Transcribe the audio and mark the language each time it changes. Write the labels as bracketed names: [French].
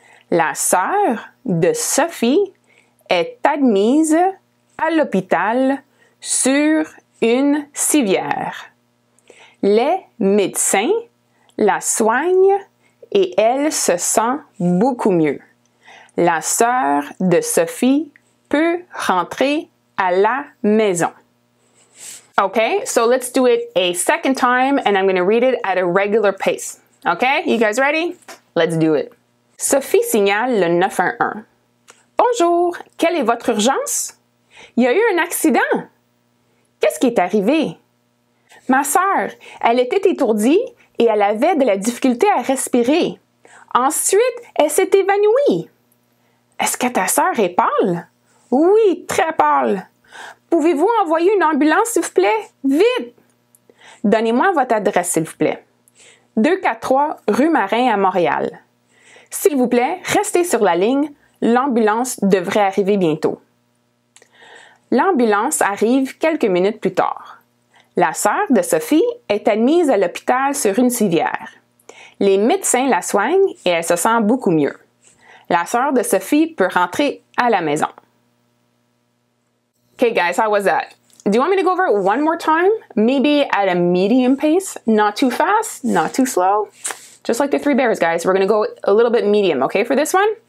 [French] La sœur de Sophie est admise à l'hôpital sur une civière. Les médecins la soignent et elle se sent beaucoup mieux. La sœur de Sophie peut rentrer à la maison. [English] Okay, so let's do it a second time and I'm going to read it at a regular pace. Okay, you guys ready? Let's do it. [French] Sophie signale le 911. Bonjour, quelle est votre urgence? Il y a eu un accident. Qu'est-ce qui est arrivé? Ma sœur, elle était étourdie et elle avait de la difficulté à respirer. Ensuite, elle s'est évanouie. Est-ce que ta sœur est pâle? Oui, très pâle. Pouvez-vous envoyer une ambulance, s'il vous plaît? Vite! Donnez-moi votre adresse, s'il vous plaît. 243 rue Marin à Montréal. S'il vous plaît, restez sur la ligne. L'ambulance devrait arriver bientôt. L'ambulance arrive quelques minutes plus tard. La sœur de Sophie est admise à l'hôpital sur une civière. Les médecins la soignent et elle se sent beaucoup mieux. La sœur de Sophie peut rentrer à la maison. [English] Okay, guys, how was that? Do you want me to go over it one more time? Maybe at a medium pace, not too fast, not too slow. Just like the three bears, guys. We're gonna go a little bit medium, okay, for this one?